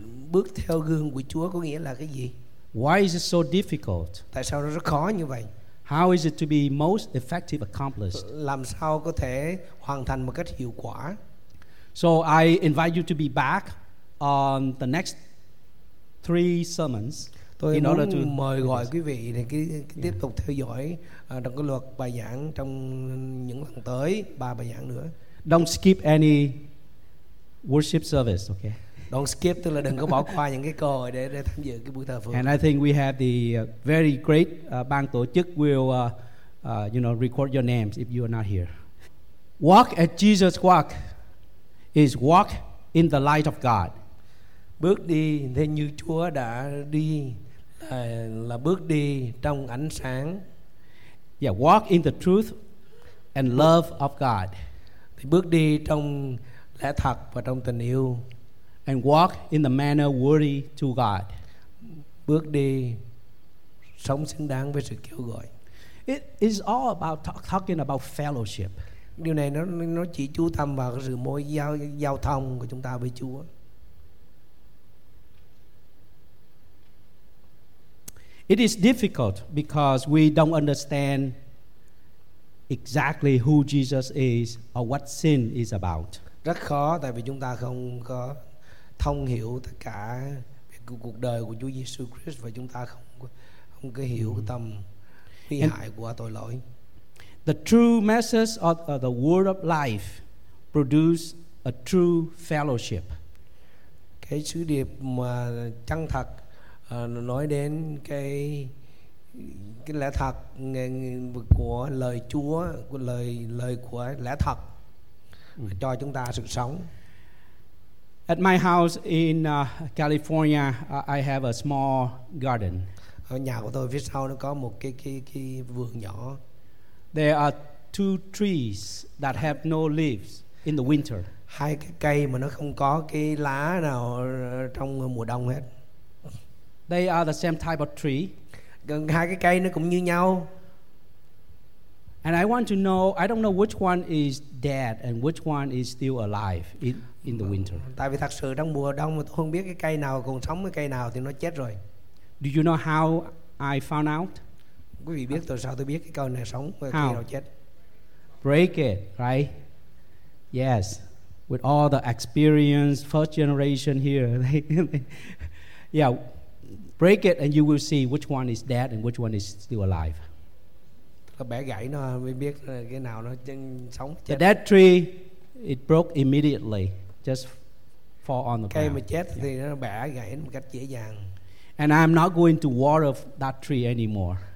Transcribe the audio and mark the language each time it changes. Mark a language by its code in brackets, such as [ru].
[vi] Bước theo gương của Chúa có nghĩa là cái gì? [en] Why is it so difficult? [vi] Tại sao nó rất khó như vậy? [en] How is it to be most effective accomplished? [vi] Làm sao có thể hoàn thành một cách hiệu quả? [en] So I invite you to be back on the next 3 sermons. [vi] Tôi [en] in order to [vi] mời gọi quý vị thì tiếp tục theo dõi trong cái loạt bài giảng trong những lần tới, 3 bài giảng nữa. [en] Don't skip any worship service, okay? Don't skip, [vi] tức là đừng có bỏ qua những cái cơ hội để tham dự cái buổi thờ phượng. [en] And I think we have the very great [vi] ban tổ chức [en] will record your names if you are not here. Walk as Jesus walk is walk in the light of God. [vi] Bước đi theo như Chúa đã đi là bước đi trong ánh sáng. [en] Yeah, walk in the truth and love of God. [vi] Thì bước đi trong lẽ thật và trong tình yêu. [en] And walk in the manner worthy to God. [vi] Bước đi sống xứng đáng với sự kêu gọi. [en] It is all about talking about fellowship. [vi] Điều này nó chỉ chú tâm vào cái sự mối giao thông của chúng ta với Chúa. [en] It is difficult because we don't understand exactly who Jesus is or what sin is about. [vi] Rất khó tại vì chúng ta không có thông hiểu tất cả cuộc đời của Chúa Giêsu Christ và chúng ta không có hiểu tâm nguy hại của tội lỗi. [en] The true message of the word of life produce a true fellowship. [vi] Cái sứ điệp mà chân thật nói đến cái lẽ thật của lời Chúa, của lời của lẽ thật cho chúng ta sự sống. [en] At my house in California, I have a small garden. [vi] Ở nhà của tôi phía sau nó có một cái vườn nhỏ. [en] There are two trees that have no leaves in the winter. [vi] Hai cái cây mà nó không có cái lá nào trong mùa đông hết. [en] They are the same type of tree. [vi] Gần hai cái cây nó cũng như nhau. [en] And I want to know, I don't know which one is dead and which one is still alive in the winter. [vi] Tại vì thật sự trong mùa đông mà tôi không biết cái cây nào còn sống, cái cây nào thì nó chết rồi. [en] Do you know how I found out? [vi] Quý vị biết tại sao tôi biết cái cây này sống và cây nào chết? [en] Break it, right? Yes. With all the experience, first generation here. Yeah. Break it and you will see which one is dead and which one is still alive. [vi] Bẻ gãy nó mới biết cái nào nó sống chết. [en] The dead tree, it broke immediately, just fall on the [vi] cây [en] ground. [vi] Cây mà chết thì nó bẻ gãy một cách dễ dàng. [en] And I'm not going to water that tree anymore.